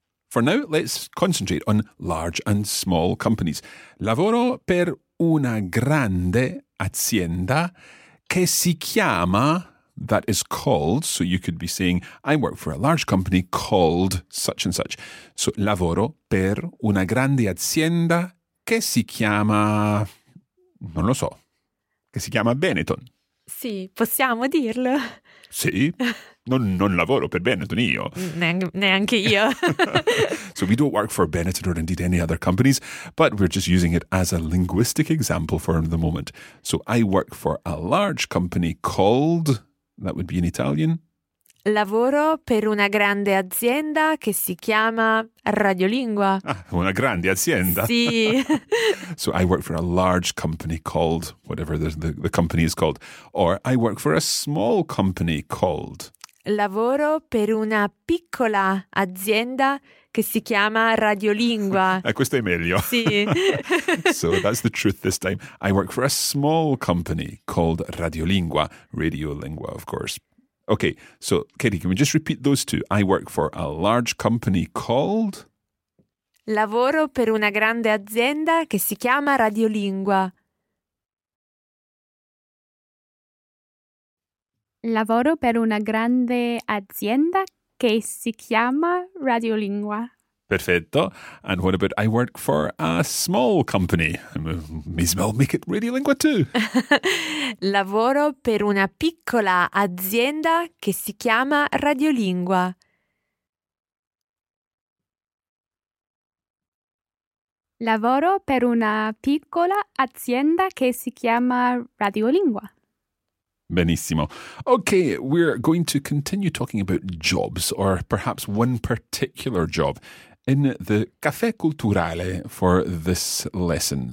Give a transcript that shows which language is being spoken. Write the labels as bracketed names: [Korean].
[English] For now, let's concentrate on large and small companies. [Italian] Lavoro per una grande azienda che si chiama, [English] that is called, so you could be saying, I work for a large company called such and such. [Italian] So lavoro per una grande azienda che si chiama, non lo so, che si chiama Benetton. Sì, possiamo dirlo. Sì, non lavoro per Benetton io. Neanche io. [English] So we don't work for Benetton or indeed any other companies, but we're just using it as a linguistic example for the moment. So I work for a large company called, that would be in Italian. [Italian] Lavoro per una grande azienda che si chiama Radiolingua. Ah, una grande azienda. Sì. [English] So I work for a large company called, whatever the company is called. Or I work for a small company called. [Italian] Lavoro per una piccola azienda che si chiama Radiolingua. Questo è meglio. Sì. [English] So that's the truth this time. I work for a small company called Radiolingua. Radiolingua, of course. Okay, so Katie, can we just repeat those two? I work for a large company called? [Italian] Lavoro per una grande azienda che si chiama Radiolingua. Lavoro per una grande azienda che si chiama Radiolingua. Perfetto. [English] And what about I work for a small company? May as well make it Radiolingua too. [Italian] Lavoro per una piccola azienda che si chiama Radiolingua. Lavoro per una piccola azienda che si chiama Radiolingua. Benissimo. [English] Okay, we're going to continue talking about jobs or perhaps one particular job in the Caffè Culturale for this lesson.